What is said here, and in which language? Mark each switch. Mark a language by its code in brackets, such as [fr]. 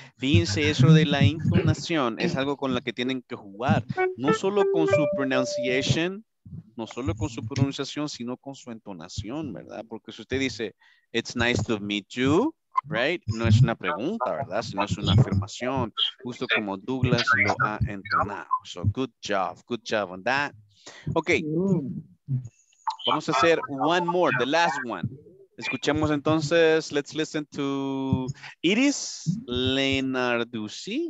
[es] Fíjense, eso de la intonación es algo con la que tienen que jugar. No solo con su pronunciation, no solo con su pronunciación, sino con su entonación, ¿verdad? Porque si usted dice, [en] it's nice to meet you, right? [es] No es una pregunta, ¿verdad? Sino es una afirmación, justo como Douglas lo ha entonado. [en] So, good job on that. Ok, [es] vamos a hacer [en] one more, the last one. [es] Escuchemos entonces, [en] let's listen to Iris Lenarduzzi.